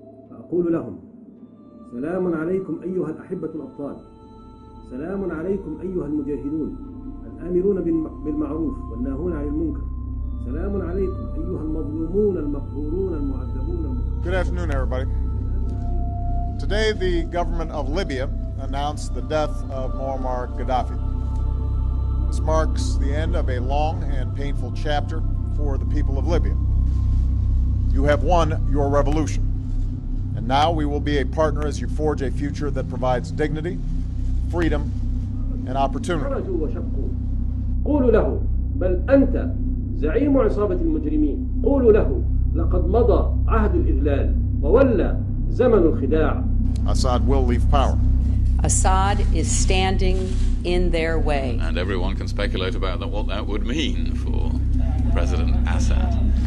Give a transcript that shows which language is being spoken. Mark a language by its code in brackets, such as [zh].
[ar] فأقول لهم: سلام عليكم أيها الأحبة الأبطال، سلام عليكم أيها المجاهدون الآمرون بالمعروف والناهون عن المنكر، سلام عليكم أيها المظلومون المقهورون المعذبون. [en] Good afternoon, everybody. Today the government of Libya announced the death of Muammar Gaddafi. This marks the end of a long and painful chapter for the people of Libya. You have won your revolution, and now we will be a partner as you forge a future that provides dignity, freedom, and opportunity. [ar] قولوا له بل أنت زعيم عصابة المجرمين، قولوا له لقد مضى عهد الإذلال وولى زمن الخداع. [en] Assad will leave power. Assad is standing in their way. And everyone can speculate about that, what that would mean for President Assad.